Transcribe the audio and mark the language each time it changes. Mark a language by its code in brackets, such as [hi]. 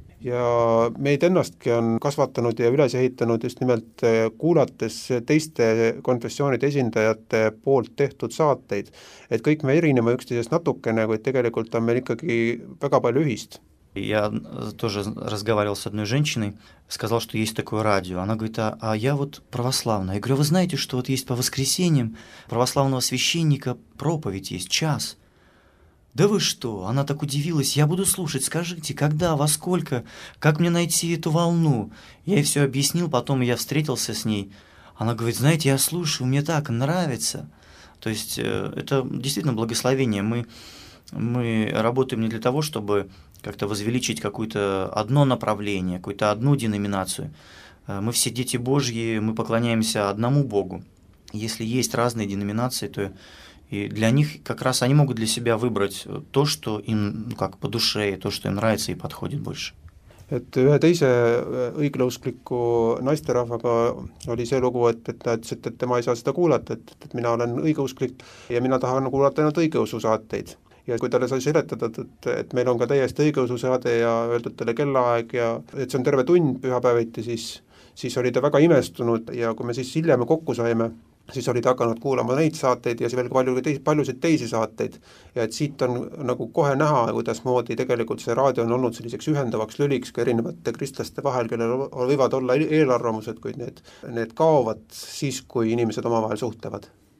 [et] Ja meid ennastki on kasvatanud ja üles ehitanud just nimelt kuulates teiste konfessioonide esindajate poolt tehtud saateid, et kõik me erineme üksteisest natukene, kuid tegelikult on meil ikkagi väga palju ühist. [ru] Я тоже разговаривал с одной женщиной, сказал, что есть такое радио. Она говорит: а я вот православная. Я говорю: вы знаете, что вот есть по воскресеньям православного священника проповедь есть, час. Да вы что? Она так удивилась. Я буду слушать, скажите, когда, во сколько, как мне найти эту волну? Я ей все объяснил, потом я встретился с ней. Она говорит: знаете, я слушаю, мне так нравится. То есть это действительно благословение. Мы работаем не для того, чтобы как-то возвеличить какое-то одно направление, какую-то одну деноминацию. Мы все дети Божьи, мы поклоняемся одному Богу. Если есть разные деноминации, то и для них как раз они могут для себя выбрать то, что им, ну, как по душе, и то, что им нравится и подходит больше. [et] Et ühe teise õigeuskliku naisterahvaga oli see lugu, et ta ütles, et tema ei saa seda kuulata, et mina olen õigeusklik ja mina tahan kuulata ainult õigeusu saateid. Ja kui talle sai seletada, et meil on ka täiesti õigeusu saade ja öeldud talle kellaaeg ja et see on terve tund pühapäeviti, siis oli ta väga imestunud ja kui me siis hiljem kokku saime, siis oli ta hakanud kuulama neid saateid ja see veel paljusid teisi saateid ja et siit on nagu kohe näha, kuidas moodi tegelikult see raadio on olnud selliseks ühendavaks lüliks ka erinevate kristlaste vahel, kellel võivad olla eelarvamused, kuid need kaovad siis, kui inimesed omavahel suhtlevad.